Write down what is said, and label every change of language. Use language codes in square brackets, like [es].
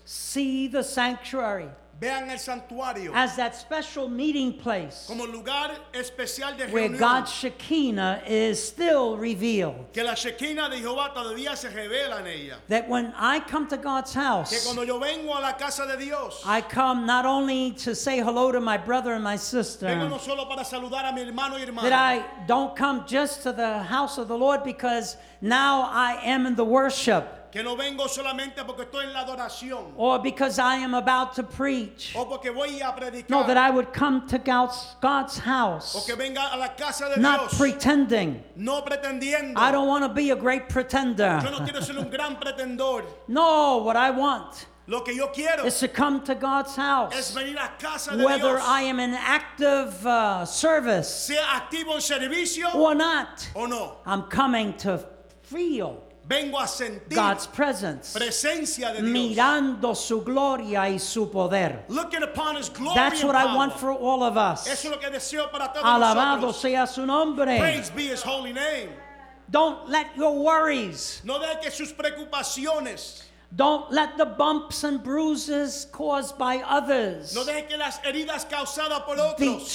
[en] see the sanctuary, [es] vean el santuario, [en] as that special meeting place, [es] como lugar especial de reunión, [en] where God's Shekinah is still revealed, [es] que la Shekinah de Jehová todavía se revela en ella, [en] that when I come to God's house, [es] que cuando yo vengo a la casa de Dios, [en] I come not only to say hello to my brother and my sister, [es] vengo no solo para saludar a mi hermano y hermana, [en] that I don't come just to the house of the Lord because now I am in the worship, [es] que no vengo solamente porque estoy en la adoración, [en] or because I am about to preach, [es] o porque voy a predicar, [en] no, that I would come to God's house, [es] o que venga a la casa de [en] not [es] Dios, [en] pretending, [es] no pretendiendo. [en] I don't want to be a great pretender. [es] Yo no quiero ser un gran pretendor. [en] No, what I want, [es] lo que yo quiero, [en] is to come to God's house, [es] es venir a casa de [en] whether [es] Dios, [en] I am in active service, [es] sea activo en servicio, [en] or not, [es] o no. [en] I'm coming to feel God's presence, [es] presencia de Dios, mirando su gloria y su poder. [en] Looking upon his glory. That's what and I want for all of us. [es] Eso es lo que deseo para todos. Alabado nosotros sea su nombre. [en] Praise be his holy name. Don't let your worries, [es] no deje sus preocupaciones, [en] don't let the bumps and bruises caused by others, [es] no deje que las heridas causadas por otros,